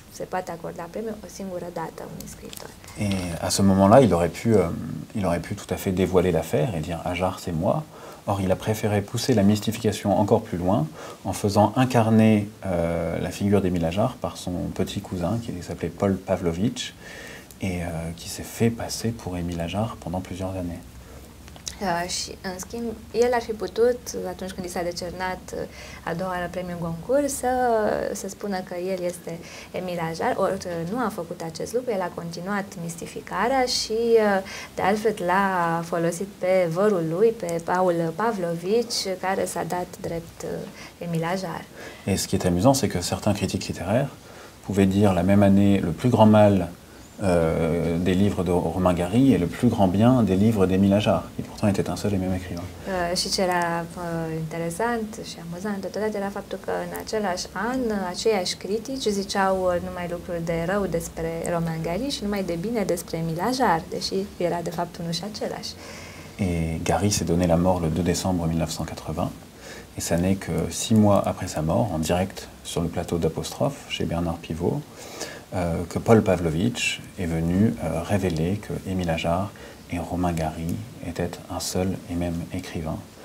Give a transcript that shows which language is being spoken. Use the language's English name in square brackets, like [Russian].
[Romanian] Se poate acorda premiul o singură dată unui scriitor. [French] Et à ce moment-là, il aurait pu tout à fait dévoiler l'affaire et dire Ajar, c'est moi. Or, il a préféré pousser la mystification encore plus loin en faisant incarner la figure d'Émile Ajar par son petit cousin qui s'appelait Paul Pavlovitch. Et qui s'est fait passer pour Émile Ajar pendant plusieurs années. [Romanian] Și, în schimb, el ar fi putut, atunci când i s-a decernat a doua oară premiul Goncourt, să spună că el este Émile Ajar, ori nu a făcut acest lucru, el a continuat mistificarea și, de altfel, l-a folosit pe vărul lui, pe Paul Pavlovici, care s-a dat drept Émile Ajar. [French] Et ce qui est amusant, c'est que certains critiques littéraires pouvaient dire la même année le plus grand mal des livres de Romain Gary et le plus grand bien des livres d'Émile Ajar, qui pourtant était un seul et même écrivain. [Romanian] Și ce era interesant și amuzant totodată era faptul că în același an aceiași critici ziceau numai lucruri de rău despre Romain Gary și numai de bine despre Émile Ajar, deși era de fapt unul și același. [French] Et Gary s'est donné la mort le 2 décembre 1980 et ça n'est que 6 mois après sa mort, en direct sur le plateau d'Apostrophe, chez Bernard Pivot, que Paul Pavlovitch est venu révéler que Émile Ajar et Romain Gary étaient un seul et même écrivain.